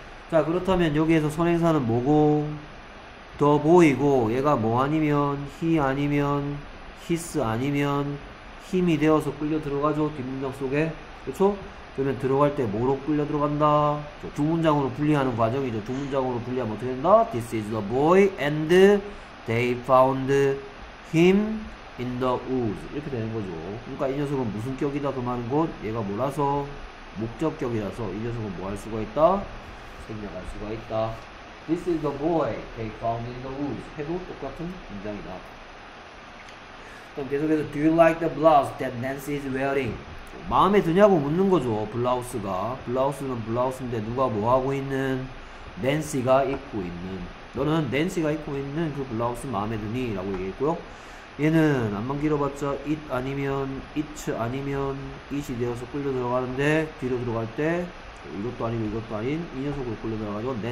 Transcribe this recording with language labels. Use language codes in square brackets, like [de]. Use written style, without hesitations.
[ko] 자, 그렇다면 여기에서 선행사는 뭐고? The boy고 얘가 뭐 아니면? he 아니면? his 아니면? him이 되어서 끌려 들어가죠. 뒷문장 속에. 그렇죠? 그러면 들어갈 때 뭐로 끌려 들어간다? 두 문장으로 분리하는 과정이죠. 두 문장으로 분리하면 어떻게 된다? [en] This is the boy and they found him in the woods. [ko] 이렇게 되는 거죠. 그러니까 이 녀석은 무슨 격이다? 그 말은 곧 얘가 뭐라서? 목적격이라서 이 녀석은 뭐할 수가 있다? 생략할 수가 있다. [en] This is the boy they found in the woods. [ko] 해도 똑같은 문장이다. 그럼 계속해서 [en] Do you like the blouse that Nancy is wearing? [ko] 마음에 드냐고 묻는 거죠. 블라우스가. 블라우스는 블라우스인데 누가 뭐 하고 있는? 낸시가 입고 있는. 너는 낸시가 입고 있는 그 블라우스 마음에 드니? 라고 얘기했고요. 얘는 앞만 길어봤자 it 아니면 it 아니면 it이 되어서 끌려 들어가는데 뒤로 들어갈 때 이것도 아니고 이것도 아닌 이 녀석으로 끌려 들어가죠.